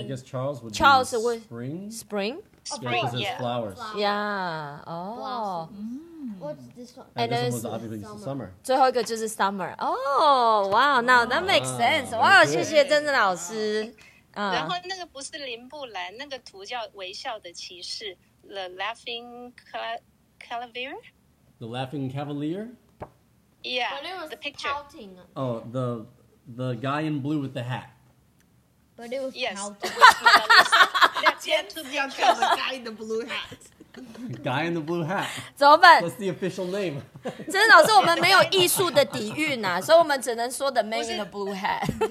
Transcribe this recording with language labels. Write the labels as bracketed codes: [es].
[en] I guess Charles would be spring. Spring? Spring, yeah. Because there's flowers. Yeah. Oh. What's this one? And then it's obviously summer. Summer. [zh] 最后一个就是 summer. [en] Oh, wow. Now that makes sense. Wow, okay. 谢谢真正老师。 [zh] 然后那个不是林布兰，那个图叫微笑的骑士 ，The Laughing Cavalier. [en] The Laughing Cavalier. Yeah, the picture. Pouting. Oh, the guy in blue with the hat. But it was yes. That's the guy in the blue hat. Guy in the blue hat. [zh] 怎么办 [en] ？What's the official name? [zh] 真的老师，我们没有艺术的底蕴啊，所以我们只能说 the man in the blue hat.